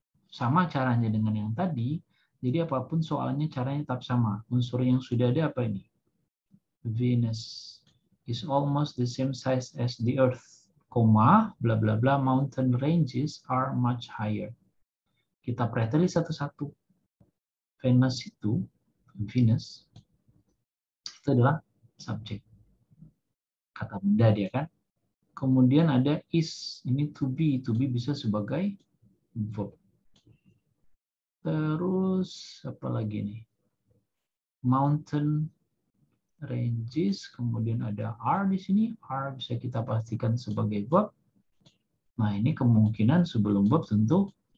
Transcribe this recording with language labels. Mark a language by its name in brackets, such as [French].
[Indonesian] Sama caranya dengan yang tadi, jadi apapun soalnya caranya tetap sama. Unsur yang sudah ada apa ini? [English] Venus is almost the same size as the Earth, comma, bla bla bla, mountain ranges are much higher. [Indonesian] Kita perhatikan satu-satu. Venus itu adalah subjek. Kata benda dia kan. Kemudian ada is, ini to be bisa sebagai verb. Terus apa lagi nih? Mountain ranges, kemudian ada are di sini, are bisa kita pastikan sebagai verb. Nah, ini kemungkinan sebelum verb tentu